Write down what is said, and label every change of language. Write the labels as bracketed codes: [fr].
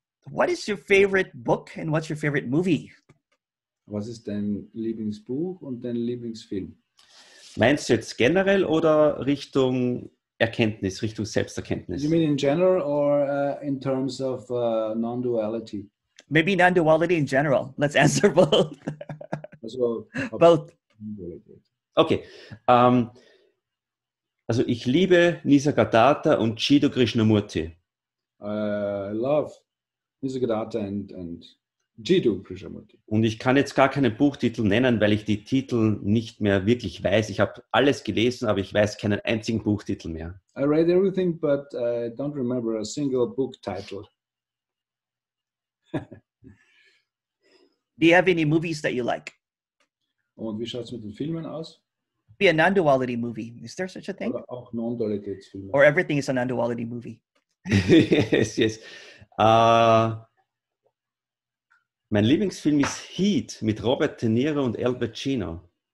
[en] What is your favorite book and what's your favorite movie? [de] Was ist dein Lieblingsbuch und dein Lieblingsfilm? Meinst du jetzt generell oder Richtung Erkenntnis, Richtung Selbsterkenntnis? [en] You mean in general or in terms of non-duality? Maybe non-duality in general. Let's answer both. Also, both. [de] Okay. Also ich liebe Nisargadatta und Chido Krishnamurti. [en] I love Nisargadatta and Chido Krishnamurti. [de] Und ich kann jetzt gar keinen Buchtitel nennen, weil ich die Titel nicht mehr wirklich weiß. Ich habe alles gelesen, aber ich weiß keinen einzigen Buchtitel mehr. [en] I read everything, but I don't remember a single book title. Do you have any movies that you like? [de] Und wie schaut es mit den Filmen aus? [en] Be a non-duality movie. Is there such a thing? [de] Oder auch Non-Dualitätsfilme. [en] Or everything is a non-duality movie. Yes, yes. [de] Mein Lieblingsfilm ist Heat mit Robert De Niro und Al Pacino.